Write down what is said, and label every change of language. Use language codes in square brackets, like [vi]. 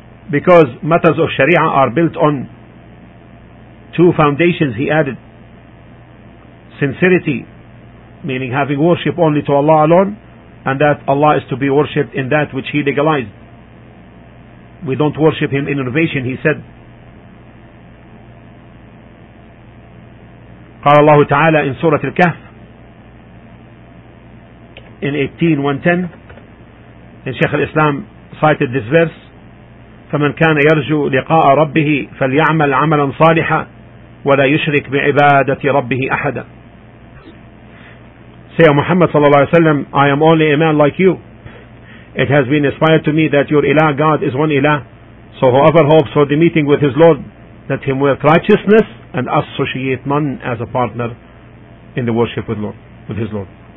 [en] Because matters of Sharia are built on two foundations, he added. Sincerity, meaning having worship only to Allah alone, and that Allah is to be worshipped in that which He legalized. We don't worship Him in innovation, he said. [ar] قال الله تعالى [en] in Surah Al-Kahf in 18:110, and Shaykh al-Islam cited this verse, [ar] فَمَنْ كَانَ يَرْجُو لِقَاءَ رَبِّهِ فَلْيَعْمَلْ عَمَلًا صَالِحًا وَلَا يُشْرِكْ بِعِبَادَةِ رَبِّهِ أَحَدًا. [en] say, O Muhammad sallallahu alayhi wa sallam, I am only a man like you. It has been inspired to me that your ilah, God, is one ilah. So whoever hopes for the meeting with his Lord, let him work righteousness and associate none as a partner in the worship with Lord, with his Lord.